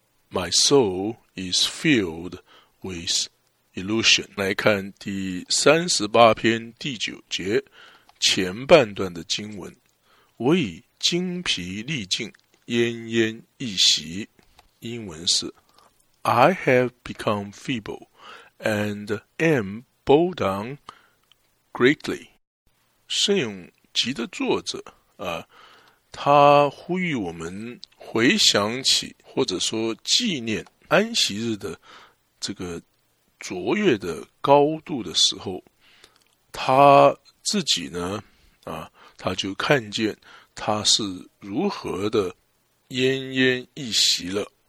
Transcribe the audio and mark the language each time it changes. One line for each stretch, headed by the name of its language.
English: My soul is filled with illusion。
Chinese: 来看第38篇第9节前半段的经文，我已精疲力尽，奄奄一息。英文是
English: I have become feeble and am bowed down greatly。
Chinese: 圣咏集的作者他呼吁我们回想起，或者说纪念安息日的这个卓越的高度的时候，他自己呢，他就看见他是如何的奄奄一息了。